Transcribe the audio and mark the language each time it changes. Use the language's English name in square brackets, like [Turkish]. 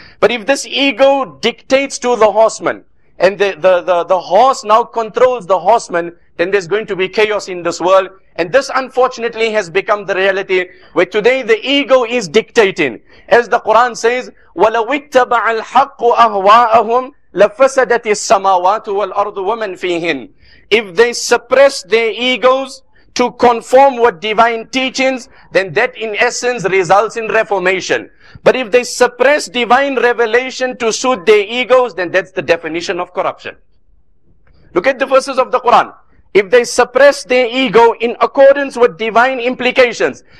[English] But if this ego dictates to the horseman, and the horse now controls the horseman, then there's going to be chaos in this world. And this unfortunately has become the reality where today the ego is dictating. As the Quran says, [Arabic] وَلَوِ اتَّبَعَ الْحَقُّ أَهْوَاءَهُمْ لفسدت السماوات والأرض ومن فيهن. [English] If they suppress their egos to conform with divine teachings, then that in essence results in reformation. But if they suppress divine revelation to suit their egos, then that's the definition of corruption. Look at the verses of the Quran. If they suppress their ego in accordance with divine implications.